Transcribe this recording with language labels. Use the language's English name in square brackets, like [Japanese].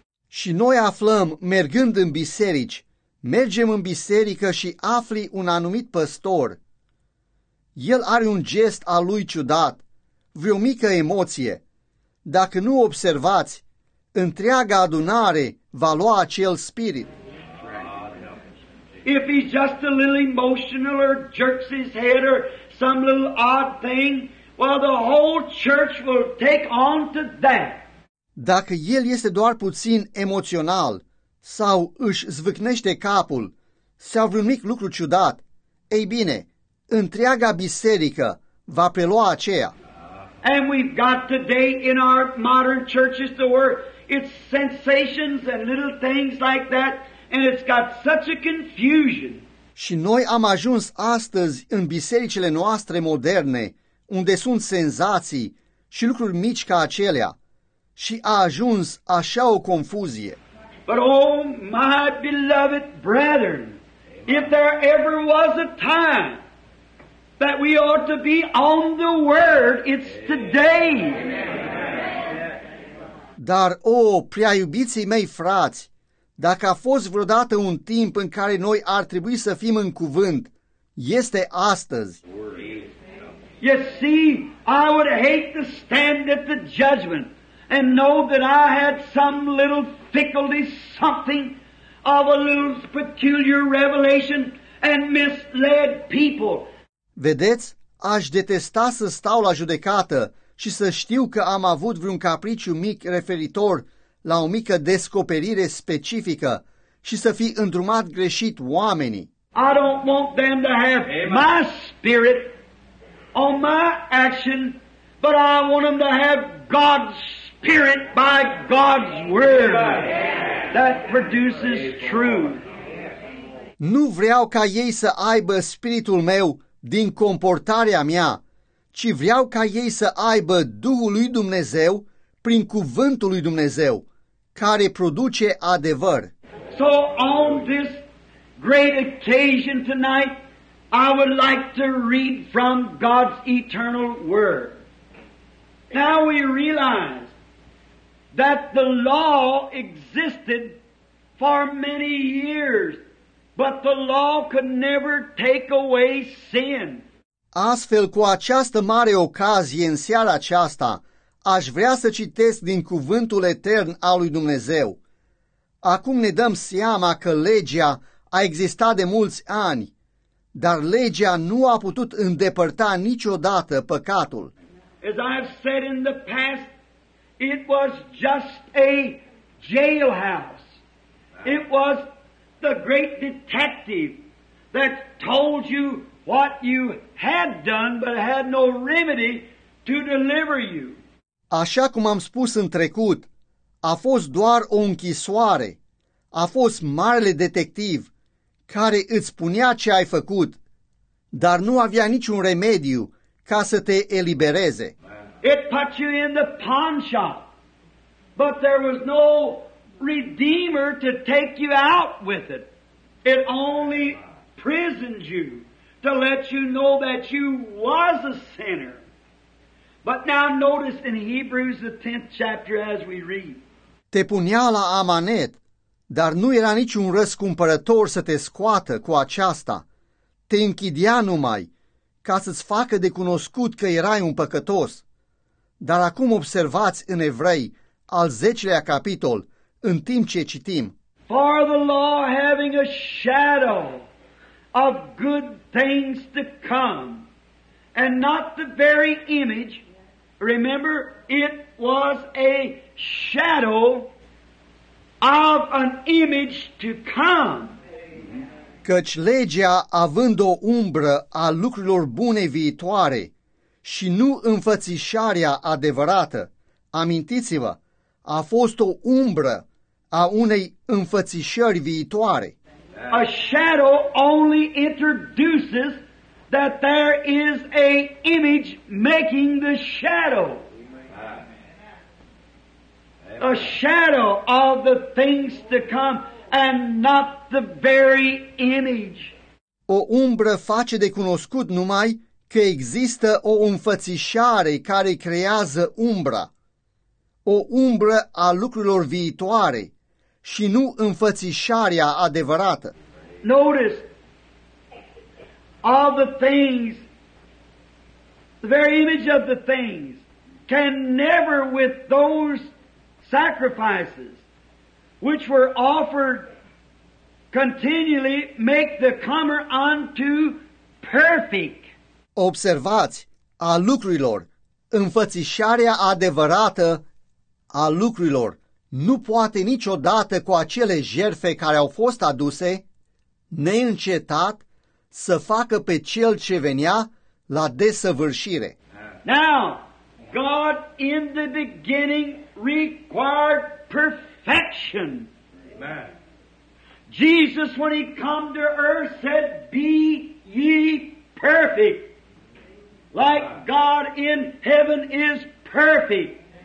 [Romanian] Și noi aflăm, mergând în biserici, mergem în biserică și afli un anumit păstor. El are un gest al lui ciudat. Vreo mică emoție. Dacă nu observați, întreaga adunare va lua acel spirit. [English] If he's just a little emotional or jerks his head or some little odd thing, well, the whole church will take on to that. [Romanian] Dacă el este doar puțin emoțional sau își zvâcnește capul sau vreun mic lucru ciudat, ei bine, întreaga biserică va prelua aceea. [English] And we've got today in our modern churches the word, it's sensations and little things like that, and it's got such a confusion. [Romanian] Și noi am ajuns astăzi în bisericile noastre moderne, unde sunt senzații și lucruri mici ca acelea, și a ajuns așa o confuzie. [English] But oh, my beloved brethren, if there ever was a time that we ought to be on the word, it's today. [Romanian] Dar, oh, prea iubiții mei frați, dacă a fost vreodată un timp în care noi ar trebui să fim în cuvânt, este astăzi. [English] You see, I would hate to stand at the judgment and know that I had some little fickle something of a little peculiar revelation and misled people. [Romanian] Vedeți, aș detesta să stau la judecată și să știu că am avut vreun capriciu mic referitor la o mică descoperire specifică și să fi îndrumat greșit oamenii. [English] I don't want them to have my spirit on my action, but I want them to have God's spirit by God's word that produces truth. [Romanian] Nu vreau ca ei să aibă spiritul meu din comportarea mea, ci vreau ca ei să aibă Duhul lui Dumnezeu prin cuvântul lui Dumnezeu, care produce adevăr. [English] So on this great occasion tonight, I would like to read from God's eternal word. Now we realize that the law existed for many years. But the law could never take away sin. [Romanian] Astfel, cu această mare ocazie în seara aceasta, aș vrea să citesc din cuvântul etern al lui Dumnezeu. Acum ne dăm seama că legea a existat de mulți ani, dar legea nu a putut îndepărta niciodată păcatul. [English] As I have said in the past, it was just a jailhouse. It was the great detective that told you what you had done but had no remedy to deliver you. [Romanian] Așa cum am spus în trecut, a fost doar o închisoare. A fost marele detectiv care îți spunea ce ai făcut, dar nu avea niciun remediu ca să te elibereze. [English] It put you in the pawn shop, but there was no redeemer to take you out with it. It only prisoned you to let you know that you was a sinner. But now notice in Hebrews the 10th chapter as we read. [Romanian] Te punea la amanet, dar nu era niciun răscumpărător să te scoată cu aceasta. Te închidea numai ca să-ți facă de cunoscut că erai un păcătos. Dar acum observați în Evrei, al 10-lea capitol, în timp ce citim. [English] For the law having a shadow of good things to come, and not the very image, remember, it was a shadow of an image to come. [Romanian] Căci legea, având o umbră a lucrurilor bune viitoare și nu înfățișarea adevărată, amintiți-vă, a fost o umbră a unei înfățișări viitoare. [English] A shadow only introduces that there is a image making the shadow. A shadow of the things to come and not the very image. [Romanian] O umbră face de cunoscut numai că există o înfățișare care creează umbra. O umbră a lucrurilor viitoare și nu înfățișarea adevărată. [English] Notice all the things, the very image of the things can never with those sacrifices which were offered continually make the comer unto perfect. [Romanian] Observați, a lucrurilor, înfățișarea adevărată a lucrurilor nu poate niciodată cu acele jertfe care au fost aduse neîncetat să facă pe cel ce venea la desăvârșire. [English] Now, God in the beginning required perfection. Amen. Jesus, when he came to earth, said, be ye perfect, like God in heaven is perfect.